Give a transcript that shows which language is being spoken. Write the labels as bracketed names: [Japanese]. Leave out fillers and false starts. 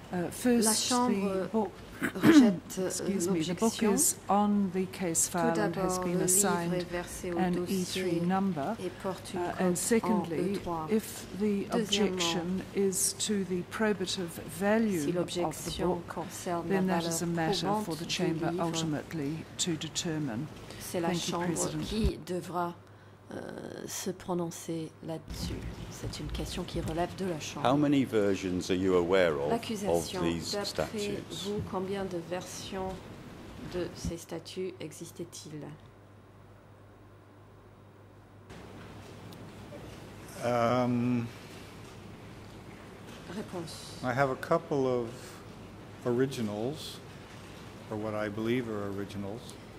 [English] First, the book is on the case file and has been assigned an E3 number. And secondly, if the objection is to the probative value of the book, then that is a matter for the Chamber ultimately to determine. [French] C'est la Chambre qui devra se prononcer là-dessus. C'est une question qui relève de la Chambre. [English] How many versions are you aware of these [French] d'après [English] statutes? [French] Vous, combien de versions de ces statuts existaient-ils? Réponse. [English] I have a couple of originals, or what I believe are originals.